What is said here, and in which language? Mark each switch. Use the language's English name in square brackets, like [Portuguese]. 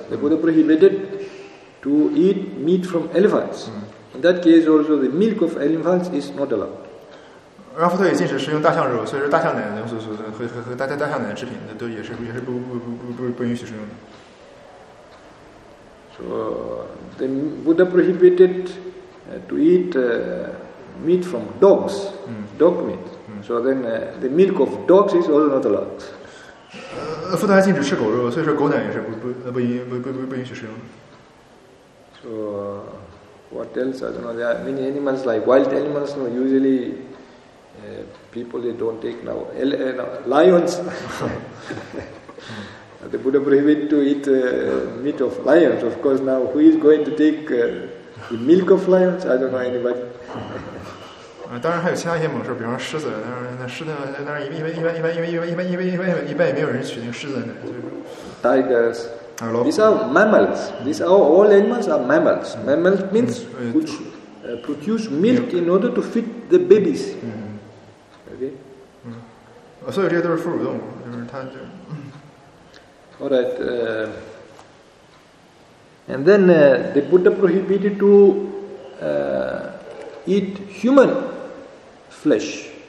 [English] The Buddha prohibited to eat meat from elephants. In that case, also the milk of elephants is not allowed. [Chinese] 然后佛陀也禁止食用大象肉，所以说大象奶和大象奶制品都也是不允许食用的。 [English] So the Buddha prohibited to eat meat from dogs, dog meat. So then the milk of dogs is also not allowed. [Chinese] 佛陀还禁止吃狗肉，所以说狗奶也是不允许食用。 [English] So what else? I don't know. There are many animals like wild animals. No, usually people they don't take now. Lions. The Buddha prohibited to eat meat of lions. Of course, now who is going to take the milk of lions? I don't know anybody. [Chinese] 当然还有其他一些猛兽，比方说狮子。但是一般也没有人取那个狮子奶。 [English] Tigers. These are mammals. These are all animals are mammals. Mammals means which produce milk in order to feed the babies. Okay. [Chinese] 所以这些都是哺乳动物，就是它就。 [English] All right, and then the Buddha prohibited to eat human flesh.